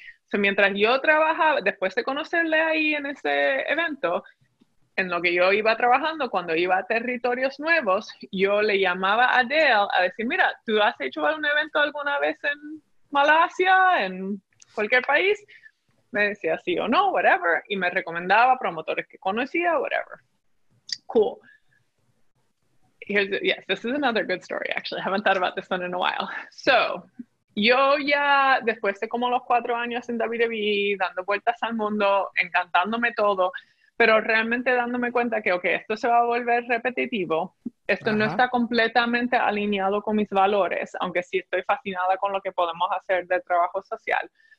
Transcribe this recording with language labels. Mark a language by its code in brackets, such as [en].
[es] So, mientras yo trabajaba, después de conocerle ahí en ese evento, en lo que yo iba trabajando, cuando iba a territorios nuevos, yo le llamaba a Dale a decir, mira, ¿tú has hecho algún evento alguna vez en Malasia, en cualquier país? Me decía sí o no, whatever, y me recomendaba promotores que conocía, whatever. [en] Cool. This is another good story, actually. I haven't thought about this one in a while. [es] So, yo ya, después de como los 4 años en WWE, dando vueltas al mundo, encantándome todo, pero realmente dándome cuenta que, ok, esto se va a volver repetitivo, esto no está completamente alineado con mis valores, aunque sí estoy fascinada con lo que podemos hacer del trabajo social.